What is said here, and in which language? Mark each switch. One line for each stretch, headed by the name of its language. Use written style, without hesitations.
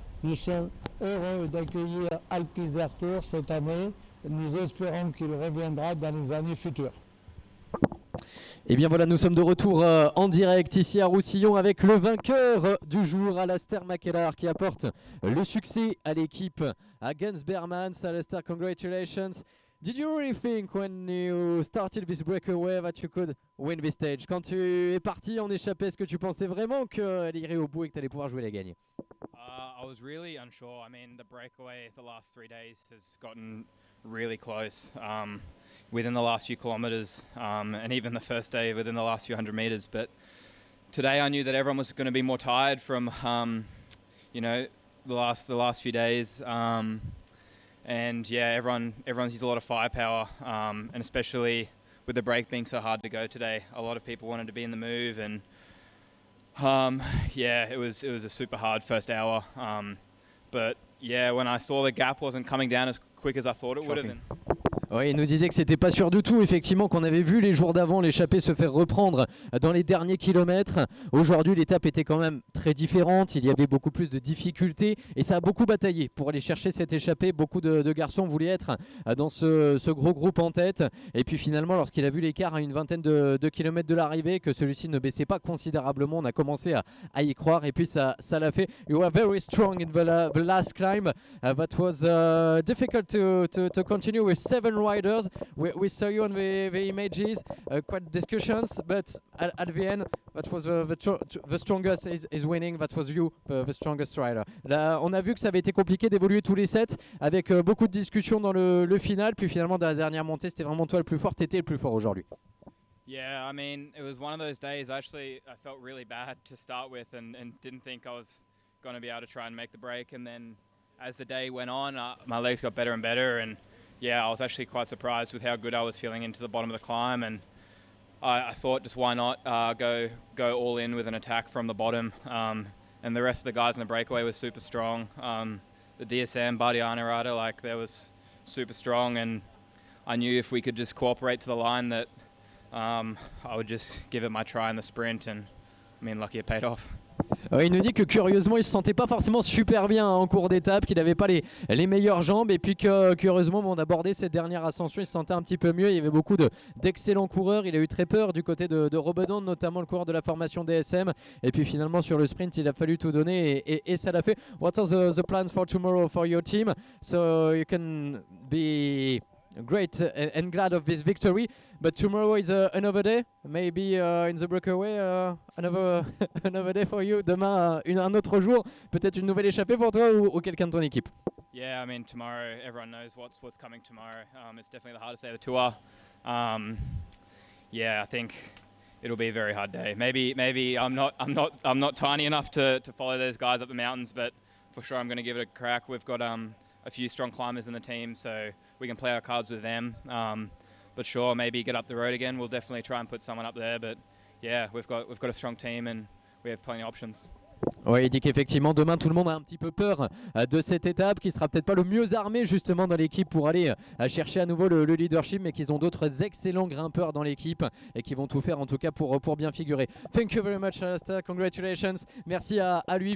French: Nous sommes heureux d'accueillir Alpizer Tour cette année et nous espérons qu'il reviendra dans les années futures. Et bien voilà, nous sommes de retour en direct ici à Roussillon avec le vainqueur du jour, Alastair McKellar, qui apporte le succès à l'équipe à Gensbermans.
English: Alastair, congratulations. Did you really think when you started this breakaway that you could win this stage?
French: Quand tu es parti en échappée, est-ce que tu pensais vraiment qu'elle irait au bout et que tu allais pouvoir jouer la gagne?
English: I was really unsure. I mean, the breakaway the last three days has gotten really close. Within the last few kilometers, and even the first day within the last few hundred meters. But today I knew that everyone was going to be more tired from, the last few days. Everyone's used a lot of firepower, and especially with the break being so hard to go today, a lot of people wanted to be in the move. And it was a super hard first hour. But when I saw the gap wasn't coming down as quick as I thought it would have been.
French: Oui, il nous disait que c'était pas sûr du tout, effectivement, qu'on avait vu les jours d'avant l'échappée se faire reprendre dans les derniers kilomètres. Aujourd'hui, l'étape était quand même très différente, il y avait beaucoup plus de difficultés et ça a beaucoup bataillé pour aller chercher cette échappée. Beaucoup de garçons voulaient être dans ce gros groupe en tête. Et puis finalement, lorsqu'il a vu l'écart à une vingtaine de kilomètres de l'arrivée, que celui-ci ne baissait pas considérablement, on a commencé à y croire et puis ça l'a fait.
English: You were very strong in the last climb, but was difficult to continue with seven riders. We saw you on the images, quite discussions, but at the end, that was the strongest is winning. That was you, the strongest rider.
French: Là, on a vu que ça avait été compliqué d'évoluer tous les sets avec beaucoup de discussions dans le final. Puis finalement, dans la dernière montée, c'était vraiment toi le plus fort. T'étais le plus fort aujourd'hui.
English: Yeah, I mean, it was one of those days. Actually, I felt really bad to start with and didn't think I was going to be able to try and make the break. And then as the day went on, my legs got better and better. And yeah, I was actually quite surprised with how good I was feeling into the bottom of the climb. And I thought, just why not go all in with an attack from the bottom. And the rest of the guys in the breakaway were super strong. The DSM, Bardiana rider, like, they was super strong. And I knew if we could just cooperate to the line that I would just give it my try in the sprint. And I mean, lucky it paid off.
French: Il nous dit que curieusement, il ne se sentait pas forcément super bien en cours d'étape, qu'il n'avait pas les meilleures jambes. Et puis que curieusement, bon, d'aborder cette dernière ascension, il se sentait un petit peu mieux. Il y avait beaucoup d'excellents coureurs. Il a eu très peur du côté de Robedon, notamment le coureur de la formation DSM. Et puis finalement, sur le sprint, il a fallu tout donner et ça l'a fait.
English: What are the plans for tomorrow for your team? So you can be great and glad of this victory. But tomorrow is another day, maybe in the breakaway, another day for you.
French: Demain, un autre jour, peut-être une nouvelle échappée pour toi ou quelqu'un de ton équipe.
English: Yeah, I mean, tomorrow, everyone knows what's coming tomorrow. It's definitely the hardest day of the tour. Yeah, I think it'll be a very hard day. Maybe I'm not tiny enough to follow those guys up the mountains, but for sure I'm going to give it a crack. We've got a few strong climbers in the team, so we can play our cards with them. But sure, maybe get up the road again. We'll definitely try and put someone up there. But yeah, we've got a strong team and we have plenty of options.
French: Oui, il dit qu'effectivement, demain, tout le monde a un petit peu peur de cette étape, qui sera peut-être pas le mieux armé justement dans l'équipe pour aller chercher à nouveau le leadership, mais qu'ils ont d'autres excellents grimpeurs dans l'équipe et qui vont tout faire en tout cas pour bien figurer.
English: Thank you very much, Alastair. Congratulations.
French: Merci à lui.